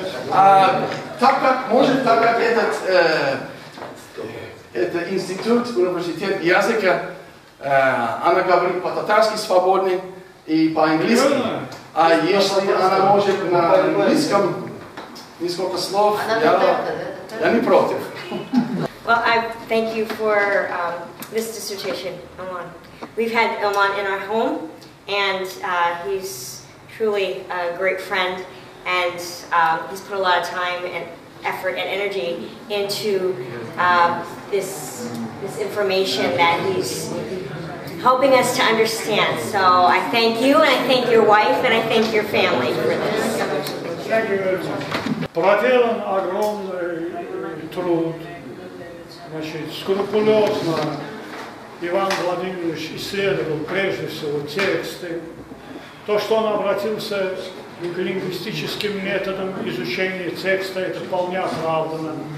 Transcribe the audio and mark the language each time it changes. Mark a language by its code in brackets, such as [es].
[ru] А, так как, может так как этот это институт, университет языка, она говорит по-татарски свободно и по-английски. А если она может на английском несколько слов, я не против. [en] Well, I thank you for this dissertation, Oman. We've had Oman in our home, and he's truly a great friend, and he's put a lot of time and effort and energy into this information that he's helping us to understand. So I thank you, and I thank your wife, and I thank your family for this. Thank you very much. [ru] Проделан огромный труд, значит, скрупулезно Иван Владимирович исследовал прежде всего тексты. То, что он обратился к лингвистическим методам изучения текста, это вполне оправдано.